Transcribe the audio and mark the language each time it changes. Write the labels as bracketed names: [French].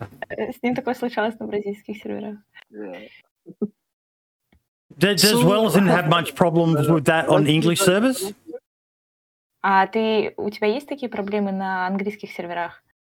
[Russian] С ним такое случалось на бразильских серверах. [English] Does Wellington have much problems with that on English servers? [Russian] А ты у тебя есть такие проблемы на английских серверах?